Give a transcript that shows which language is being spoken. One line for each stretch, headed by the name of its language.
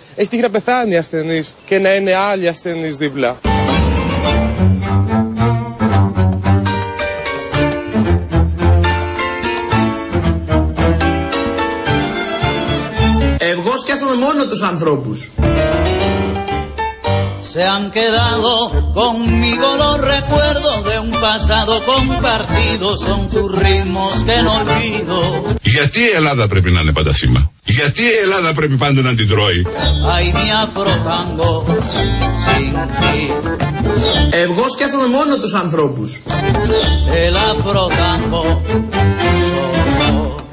Greek: Έχει τύχει να πεθάνει ασθενής και να είναι άλλοι ασθενείς δίπλα. Εγώ σκέφτομαι μόνο τους ανθρώπους.
Spanish: Se han quedado conmigo los recuerdos de un pasado compartido. Son tus ritmos que no olvido.
Greek: Γιατί η Ελλάδα πρέπει να είναι πάντα θύμα? Γιατί η Ελλάδα πρέπει πάντα να την τρώει?
Spanish: Ay, mi afro-tango, sin ti.
Greek: Εγώ σκέφτομαι μόνο τους ανθρώπους.
Spanish: El afro-tango, solo.